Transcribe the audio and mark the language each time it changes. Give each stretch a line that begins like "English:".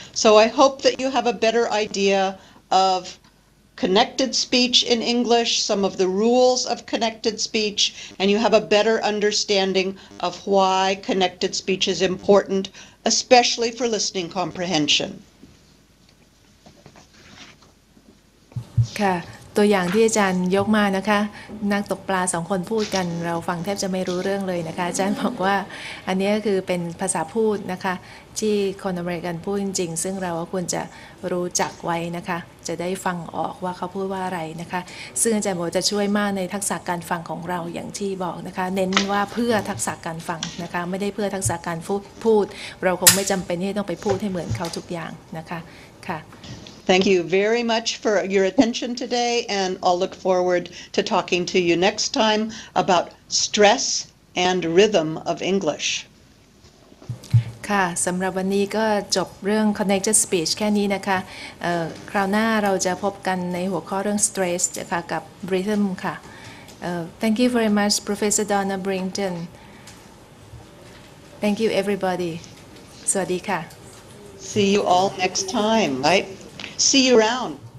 English: So I hope that you have a better idea of connected speech in English, some of the rules of connected speech, and you have a better understanding of why connected speech is important, especially for listening comprehension.
Thai: ค่ะตัวอย่างที่อาจารย์ยกมานะคะนักตกปลาสองคนพูดกันเราฟังแทบจะไม่รู้เรื่องเลยนะคะอาจารย์บอกว่าอันนี้คือเป็นภาษาพูดนะคะที่คนอเมริกันพูดจริงๆซึ่งเราควรจะรู้จักไว้นะคะจะได้ฟังออกว่าเขาพูดว่าอะไรนะคะซึ่งอาจารย์บอกจะช่วยมากในทักษะการฟังของเราอย่างที่บอกนะคะเน้นว่าเพื่อทักษะการฟังนะคะไม่ได้เพื่อทักษะการพูดเราคงไม่จำเป็นที่ต้องไปพูดให้เหมือนเขาทุกอย่างนะคะค่ะ
English: Thank you very much for your attention today, and I'll look forward to talking to you next time about stress and rhythm of English.
Thai: ค่ะสำหรับวันนี้ก็จบเรื่อง connected speech แค่นี้นะคะคราวหน้าเราจะพบกันในหัวข้อเรื่อง stress นะคะกับ rhythm ค่ะ
English: Thank you very much, Professor Donna Brington. Thank you, everybody.
Thai: สวัสดีค่ะ
English: See you all next time, right? See you around.